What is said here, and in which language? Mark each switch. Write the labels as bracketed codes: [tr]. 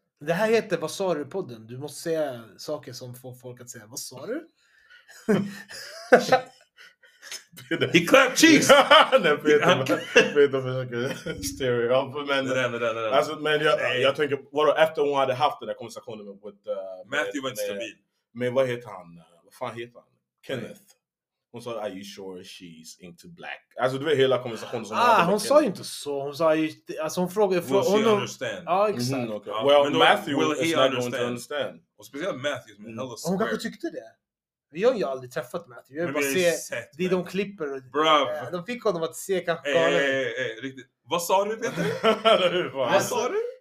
[sv] Det här heter Vad sa du-podden. Du måste säga saker som får folk att säga, vad sa du? [en] He clapped cheeks. [sv] Peter försöker stereo. Men jag tänker, vadå, efter hon hade haft den där konversationen med Matthew var inte stabil. Men vad heter han? Vad fan heter han? Kenneth. Hon sa, [en] are you sure she's into black? [sv] Alltså du vet hela konversationen som hon sa ju inte så. Hon sa ju, alltså hon frågade. [en] Will she [sv] hon [en] understand? [sv] Ja, exakt. [en] Well, då, Matthew will he understand? Going to understand. [sv] Och speciellt Matthew som är [en] hella square. [sv] Hon kanske tyckte det. Vi har ju aldrig träffat Matthew. Jag bara ser det de klipper. [en] Bruv. [sv] De fick honom att se kanske galen. Riktigt. Vad sa du, Peter? Vad sa du?